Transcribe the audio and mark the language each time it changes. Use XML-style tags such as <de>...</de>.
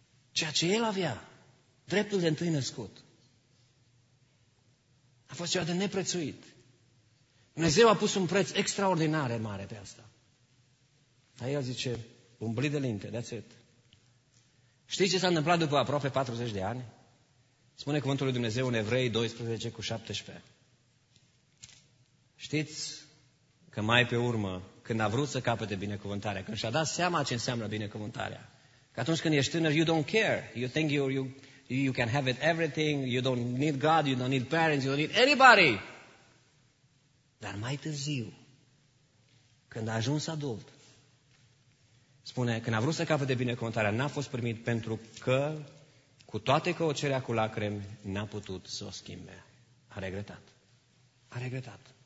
<ro>Ceea ce el avea, dreptul de întâi născut, a fost ceva de neprețuit. Dumnezeu a pus un preț extraordinar mare pe asta. Dar el zice, umbli de linte,</ro> <en>that's it.</en> <ro>Știți ce s-a întâmplat după aproape 40 de ani? Spune cuvântul lui Dumnezeu în Evrei 12 cu 17. Știți că mai pe urmă, când a vrut să capete binecuvântarea, când și-a dat seama ce înseamnă binecuvântarea, că atunci când ești tânăr,</ro> <en>you don't care. You think you can have it everything. You don't need God, you don't need parents, you don't need anybody.</en> <ro>Dar mai târziu, când a ajuns adult, spune, când a vrut să capete binecuvântarea, n-a fost primit pentru că, cu toate că o cerea cu lacrimi, n-a putut să o schimbe. A regretat. A regretat.</ro>